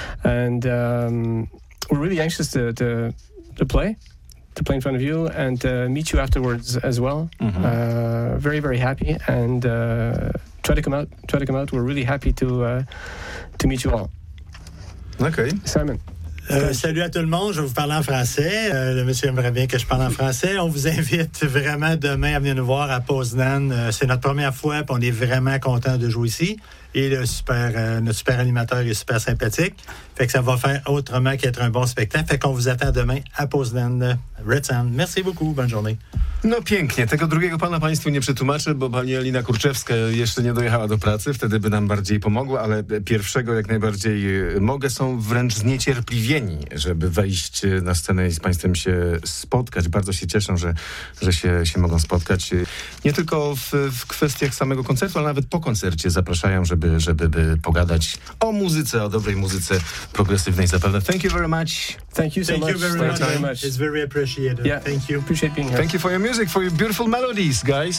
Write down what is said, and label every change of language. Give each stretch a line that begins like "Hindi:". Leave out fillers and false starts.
English: And we're really anxious to play in front of you and to meet you afterwards as well. Mm-hmm. Very, very happy, and try to come out. We're really happy to meet you all. Okay. Simon.
French: Salut à tout le monde, je vais vous parler en français. Le monsieur aimerait bien que je parle en français. On vous invite vraiment demain à venir nous voir à Poznan. C'est notre première fois, puis on est vraiment content de jouer ici. Et notre super animateur est super sympathique. Fait que ça va faire autrement qu'être un bon spectacle. Fait qu'on vous attend demain à Poznan. Red Sand. Merci beaucoup, bonne journée.
Polish: No pięknie, tego drugiego pana państwu nie przetłumaczę, bo pani Alina Kurczewska jeszcze nie dojechała do pracy, wtedy by nam bardziej pomogła, ale pierwszego jak najbardziej mogę. Są wręcz zniecierpliwieni, żeby wejść na scenę i z państwem się spotkać. Bardzo się cieszę, że się mogą spotkać. Nie tylko w kwestiach samego koncertu, ale nawet po koncercie zapraszają, żeby pogadać o muzyce, o dobrej muzyce progresywnej zapewne.
English: Thank you very much. Thank you so Thank much. You very Thank much. You very much. It's very appreciated. Yeah. Thank you. Appreciate being here. Thank you for your music, for your beautiful melodies, guys.